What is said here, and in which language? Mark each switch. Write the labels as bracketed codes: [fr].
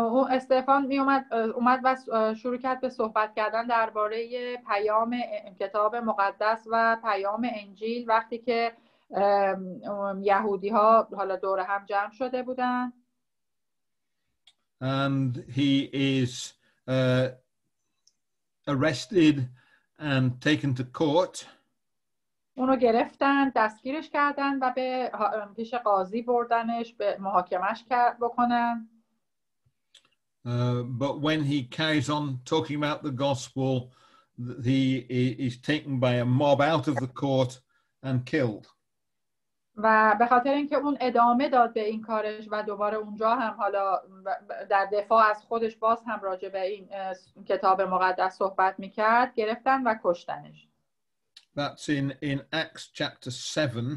[fa] استفان می اومد و شروع کرد به صحبت کردن درباره پیام کتاب مقدس و پیام انجیل وقتی که یهودی ها حالا دور هم جمع شده بودن. [en] And he is arrested and taken to court. [fa] اونو گرفتن، دستگیرش کردن و به پیش قاضی بردنش به محاکمش بکنن. [en] But when he carries on talking about the gospel, he is taken by a mob out of the court and killed. [fa] و به خاطر اینکه اون ادامه داد به این کارش و دوباره اونجا هم حالا در دفاع از خودش باز هم راجع به این کتاب مقدس صحبت میکرد گرفتن و کشتنش. [en] That's in Acts chapter 7.